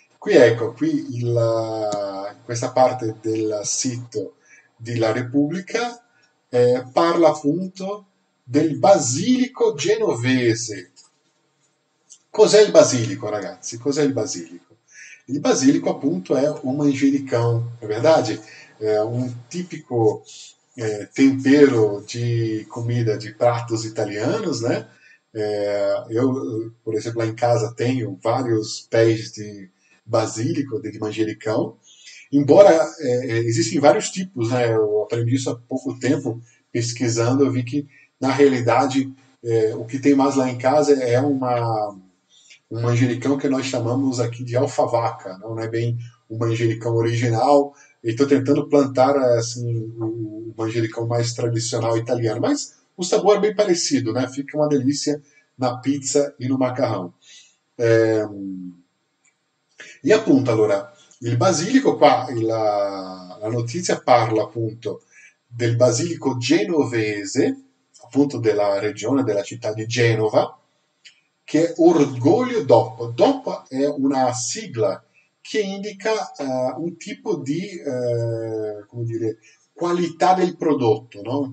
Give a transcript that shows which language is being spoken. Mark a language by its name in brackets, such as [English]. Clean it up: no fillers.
[Italian] Qui ecco, qui questa parte del sito di La Repubblica parla appunto del basilico genovese. Cos'è il basilico, ragazzi? Cos'è il basilico? Il basilico, appunto, è [Portuguese] un manjericão, è verdade? [Italian] È un tipico [Portuguese] tempero di comida, di pratos italianos, né? Eu, por exemplo, lá em casa tenho vários pés de basilico, de manjericão. Embora existem vários tipos, né? Eu aprendi isso há pouco tempo pesquisando, eu vi que, na realidade, o que tem mais lá em casa é um manjericão que nós chamamos aqui de alfavaca, não é bem o manjericão original. Estou tentando plantar assim o manjericão mais tradicional italiano, mas o sabor é bem parecido, né? Fica uma delícia na pizza e no macarrão. [Italian] E appunto, allora, Il basilico qua, la notizia parla appunto del basilico genovese, appunto della regione, della città di Genova, che è Orgoglio DOP. DOP è una sigla che indica un tipo di come dire, qualità del prodotto, no?